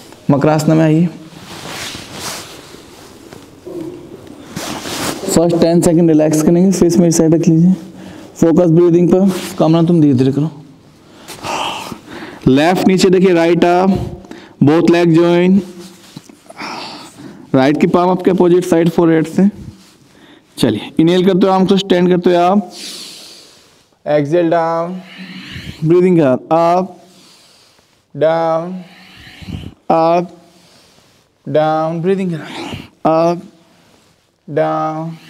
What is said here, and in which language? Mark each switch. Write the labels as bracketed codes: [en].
[hi] मकरासन में आइए, first 10 second relax करेंगे, फेस मेरी साइड रख लीजिए, फोकस ब्रीदिंग पर, कमरा तुम धीरे धीरे करो, लेफ्ट नीचे देखिए, right up, [en] Both leg joint. [hi] Right की palm आपके opposite side forehead से. चलिए. Inhale करते हो आप तो stand करते हो आप. [en] Exhale down. Breathing out. Up. Down. Up. Down. Breathing out. Up. Down.